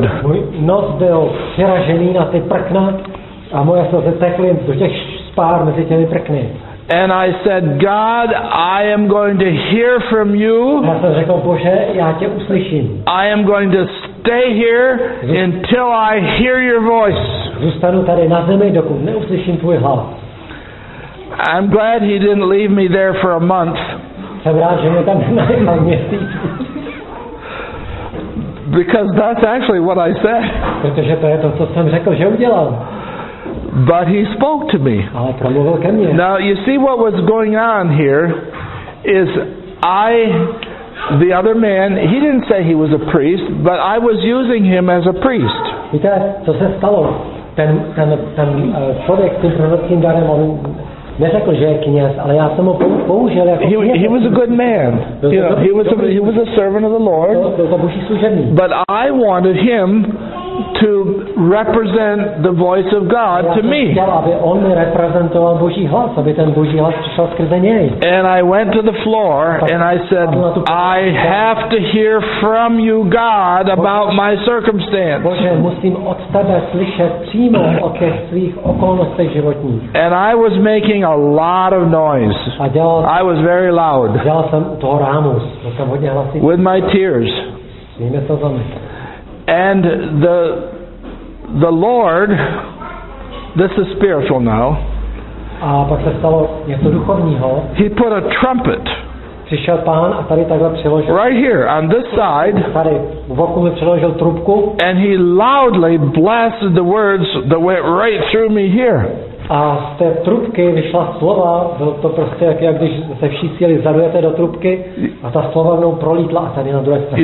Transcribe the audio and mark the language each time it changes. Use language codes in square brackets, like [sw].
[en] And I said, God, I am going to hear from you. I am going to stay here until I hear your voice. [cs] Zůstanu tady na zemi, dokud neuslyším tvůj hlas. [en] I'm glad he didn't leave me there for a month. [cs] Jsem rád, že mě tam nenechal měsíc. [en] Because that's actually what I said. [cs] Protože to je to, co jsem řekl, že udělal. [en] But he spoke to me. [cs] Ale promluvil ke mně. [en] Now you see what was going on here is I, the other man, he didn't say he was a priest, but I was using him as a priest. [cs] Víte, co se stalo? Ten člověk s tím prorockým darem, on neřekl, že je kněz, ale já jsem ho použil jako kněz. [en] He was a good man. He was a servant of the Lord. [cs] Byl to boží služebník. [en] But I wanted him to represent the voice of God to me. [cs] Chtěl, aby on reprezentoval boží hlas, aby ten boží hlas přišel skrze něj. [en] And I went to the floor and I said, I have to hear from you, God, about my circumstance. [cs] Bože, musím od tebe slyšet přímo o těch svých okolnostech životních. [en] And I was making a lot of noise. I was very loud. [cs] Dělal jsem u toho rámu, byl jsem hodně hlasitý. [en] With my tears. And the Lord, this is spiritual now. [cs] A pak se stalo něco duchovního. [en] He put a trumpet. [cs] Přišel pán a tady takhle přiložil. [en] Right here on this side. [cs] Tady v oku mi přiložil trubku. [en] And he loudly blasted the words that went right through me here. [cs] A z té trubky vyšla slova. Bylo to prostě jak když se vší síly zarujete do trubky a ta slova mnou prolítla a tady na druhé straně.